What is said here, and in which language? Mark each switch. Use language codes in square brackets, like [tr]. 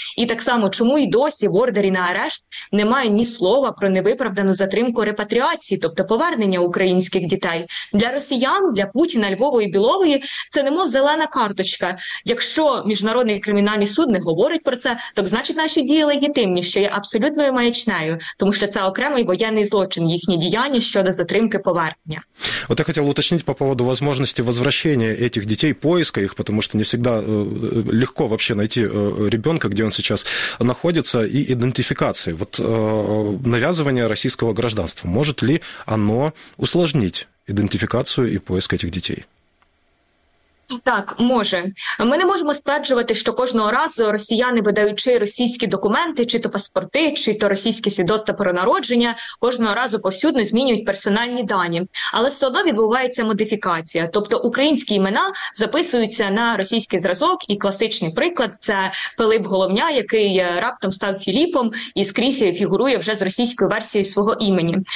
[uk] І так само, чому й досі в ордері на арешт немає ні слова про невиправдану затримку репатріації, тобто повернення українських дітей. Для росіян, для Путіна, Львової, Білової це немов зелена карточка. Якщо Міжнародний кримінальний суд не говорить про це, так значить наші дії легітимні, що є абсолютною маячнею, тому що це окремий воєнний злочин, їхні діяння щодо затримки повернення. [ru] Вот я хотел уточнить по поводу возможности возвращения этих детей, поиска их, потому что не всегда легко вообще найти ребенка, где он сейчас находится, и идентификации. Вот навязывание российского гражданства, может ли оно усложнить идентификацию и поиск этих детей? [uk] Так, може. Ми не можемо стверджувати, що кожного разу росіяни, видаючи російські документи, чи то паспорти, чи то російські свідоцтва про народження, кожного разу повсюдно змінюють персональні дані. Але все одно відбувається модифікація. Тобто українські імена записуються на російський зразок, і класичний приклад – це Пилип Головня, який раптом став Філіпом і скрізь фігурує вже з російською версією свого імені.